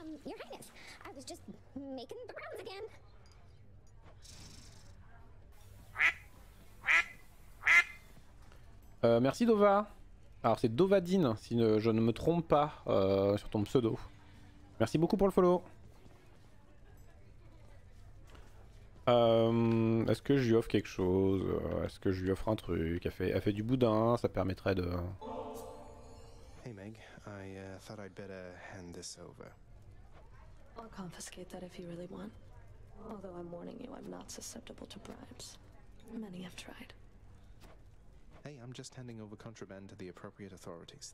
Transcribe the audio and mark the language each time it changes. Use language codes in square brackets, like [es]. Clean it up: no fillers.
[en] Your Highness, I was just making the rounds again. [fr] Merci Dova. Alors c'est Dovadine, si je ne me trompe pas sur ton pseudo. Merci beaucoup pour le follow. Est-ce que je lui offre quelque chose? Est-ce que je lui offre un truc? Elle fait du boudin, ça permettrait de... [en] Hey Meg, I thought I'd better hand this over. I'll confiscate that if you really want. Although I'm warning you, I'm not susceptible to bribes. Many have tried. Hey, I'm just handing over contraband to the appropriate authorities.